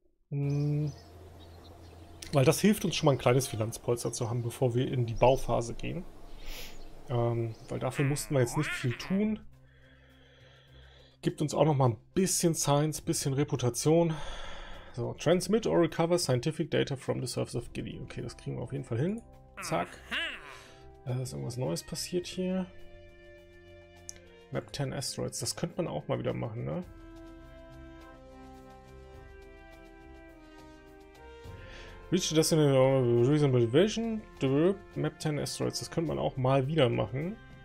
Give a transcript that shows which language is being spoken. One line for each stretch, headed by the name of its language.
German: Weil das hilft uns schon mal ein kleines Finanzpolster zu haben, bevor wir in die Bauphase gehen. Weil dafür mussten wir jetzt nicht viel tun. Gibt uns auch nochmal ein bisschen Science, bisschen Reputation.
English: So, transmit or recover scientific data from the surface of Gilly.
German: Okay, das kriegen wir auf jeden Fall hin. Zack. Ist irgendwas Neues passiert hier. Map 10 Asteroids, das könnte man auch mal wieder machen, ne?
English: Reach the Destination Reasonable Vision, Map 10 Asteroids,
German: das könnte man auch mal wieder machen.